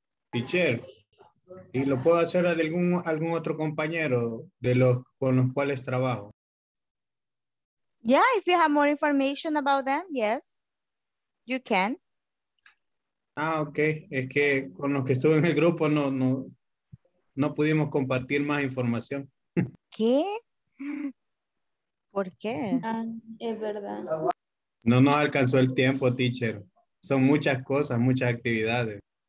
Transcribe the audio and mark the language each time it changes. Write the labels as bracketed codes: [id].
[es] Teacher, ¿y lo puedo hacer a algún otro compañero de los con los cuales trabajo? [en] Yeah, if you have more information about them, yes, you can. Ah, okay. [es] Es que con los que estuve en el grupo no pudimos compartir más información. ¿Qué? ¿Por qué? Es verdad. No nos alcanzó el tiempo, teacher. Son muchas cosas, muchas actividades.